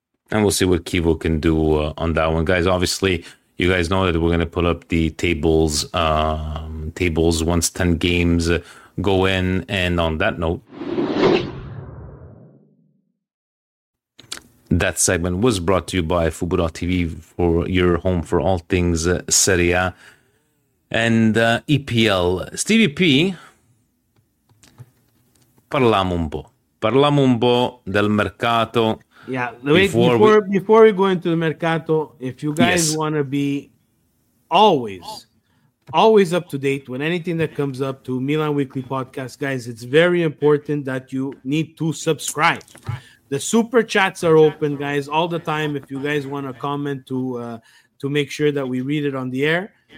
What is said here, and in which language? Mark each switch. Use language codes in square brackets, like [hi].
[en] And we'll see what Kivu can do on that one. Guys, obviously, you guys know that we're going to put up the tables once 10 games go in. And on that note, that segment was brought to you by Fubo.tv for your home for all things Serie A and EPL. [it] Stevie P, parliamo un po' del mercato. [en] Yeah, before we go into the mercato, if you guys want to be always up to date with anything that comes up to Milan Weekly Podcast, guys, it's very important that you need to subscribe. The super chats are open, guys, all the time. If you guys want to comment to make sure that we read it on the air.